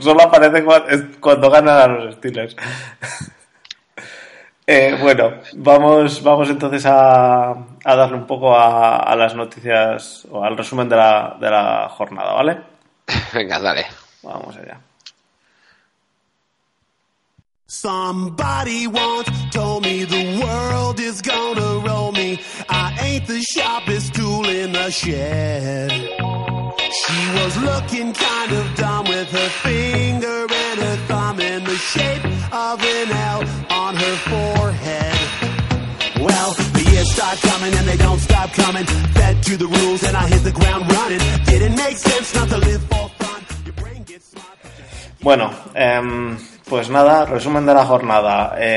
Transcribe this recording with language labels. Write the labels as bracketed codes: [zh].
[es] Solo aparece cuando ganan a los Steelers. Bueno, vamos entonces a darle un poco a las noticias o al resumen de la jornada, ¿vale? Venga, dale. Vamos allá. [en] Somebody once told me the world is gonna roll me. I ain't the sharpest tool in the shed. She was looking kind of dumb with her finger and her thumb in the shape of an L on her forehead. Well, the years start coming and they don't stop coming. Fed to the rules and I hit the ground running. Didn't make sense not to live for fun. Your brain gets smart. [es] Bueno, pues nada, resumen de la jornada.